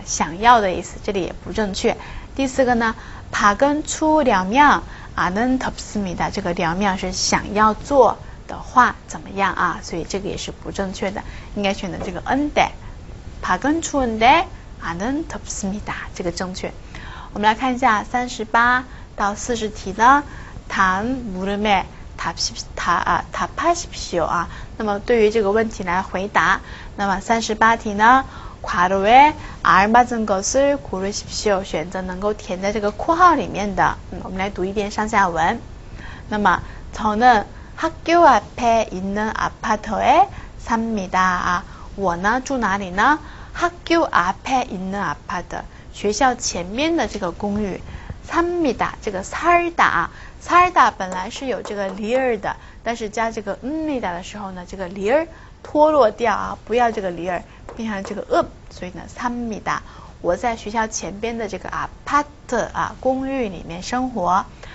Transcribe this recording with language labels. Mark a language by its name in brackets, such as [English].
[Chinese] 想要的意思，这里也不正确。第四个呢， [Korean] 밖은추려면아는덥습니다， [Chinese] 这个려면是想要做的话怎么样啊，所以这个也是不正确的，应该选择这个은데， [Korean] 밖은추운데아는덥습니다， [Chinese] 这个正确。我们来看一下三十八到四十题呢， [Korean] 단 물음에 답하십시오. [Chinese] 아, 那么对于这个问题来回答，那么38题呢？ [Korean] 괄호에 알맞은 것을 고르십시오. [Chinese] 选择能够填在这个括号里面的。我们来读一遍上下文。那么 [Korean] 저는 학교 앞에 있는 아파트에 삽니다. [Chinese] 아, 我呢住哪里呢？ [Korean] 학교 앞에 있는 아파트, [Chinese] 学校前面的这个公寓。 [Korean] 삽니다, [Chinese] 这个 살다, 아, 살다 本来是有这个리을的， 但是加这个嗯니다的时候呢， 这个리을脱落掉啊，不要这个리을， 变成这个嗯，所以呢， 삽니다, 我在学校前边的这个아파트啊公寓里面生活。